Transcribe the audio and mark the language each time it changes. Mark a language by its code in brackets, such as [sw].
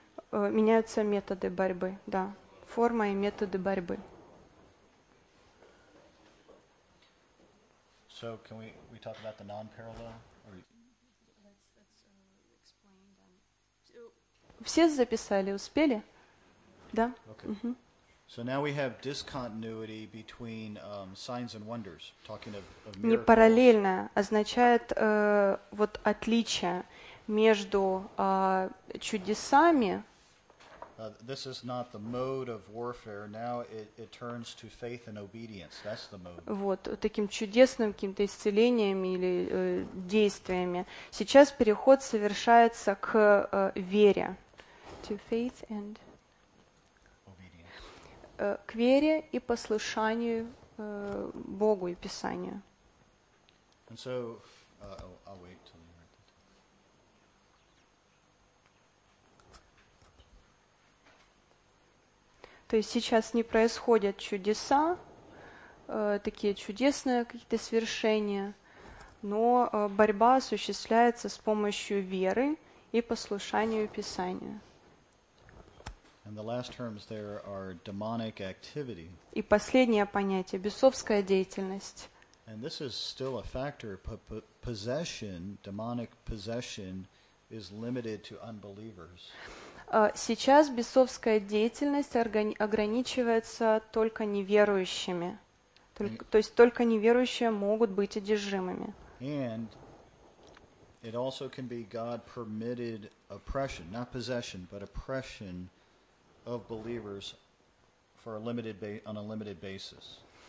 [ru] Меняются методы борьбы, да, форма и методы борьбы. [en] So can we talk about the non-parallel? [ru] Все записали, успели? Да. [en] Okay. Mm-hmm. So now we have discontinuity between signs and wonders, talking of miracles. [ru] Не параллельно означает вот отличие между чудесами. [en] This is not the mode of warfare. Now it turns to faith and obedience. That's the mode. [ru] Вот таким чудесным каким-то исцелением или действиями. Сейчас переход совершается к вере. [en] To faith and obedience. [ru] К вере и послушанию Богу и Писанию. [en] And so I'll wait. [ru] То есть сейчас не происходят чудеса, такие чудесные какие-то свершения, но борьба осуществляется с помощью веры и послушанию Писанию. [en] And the last terms there are demonic activity. [ru] И последнее понятие – бесовская деятельность. [en] And this is still a factor, but possession, demonic possession is limited to unbelievers. [ru] Сейчас бесовская деятельность ограничивается только неверующими. То есть только неверующие могут быть одержимыми. [en] And it also can be God-permitted oppression, not possession, but oppression of believers for a limited on a limited basis.